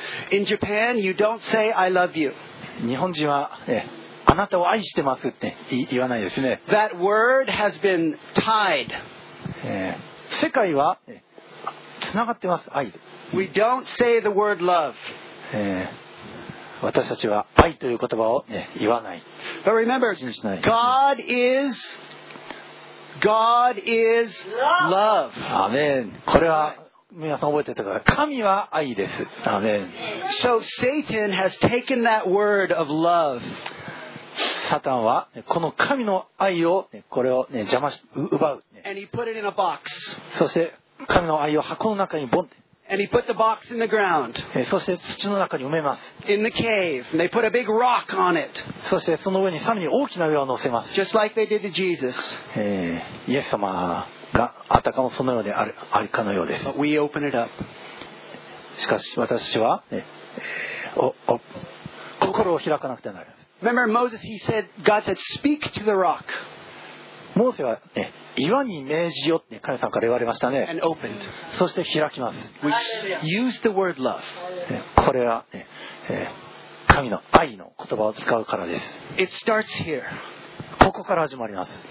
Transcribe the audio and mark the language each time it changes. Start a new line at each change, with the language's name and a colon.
English: In Japan, you don't say I love you.
Japanese: 日本人は、あなたを愛してますって言わないですね。
English: That word has been tied.
Japanese: 世界は、つながってます、愛。
English: We don't say the word love.
Japanese: 私たちは愛という言葉を、ね、言わない。
English: But remember, God is love.
Japanese: アメン。これは皆さん覚えていたから、神は愛です。アメン。
English: So Satan has taken that word of love.
Japanese: サタンはこの神の愛を、これを、ね、邪魔し奪う。
English: And he put it in a box.
Japanese: そして神の愛を箱の中にボンって。
English: And he put the box in the ground.
Japanese: そして土の中に埋めます。
English: In the cave, and they put a big rock on it.
Japanese: そしてその上にさらに大きな岩を乗せます。
English: Just like they did to Jesus.
Japanese: イエス様があたかもそのようであるかのようです。
English: But we open it up.
Japanese: しかし私は、心を開かなくてはなります。
English: Remember Moses? He said, God said, speak to the rock.
Japanese: モーセは、岩に命じよって神さんから言われましたね。
English: And opened.
Japanese: そして開きます。
English: We use the word love.
Japanese: これは、神の愛の言葉を使うからです。
English: It starts here.
Japanese: ここから始まります。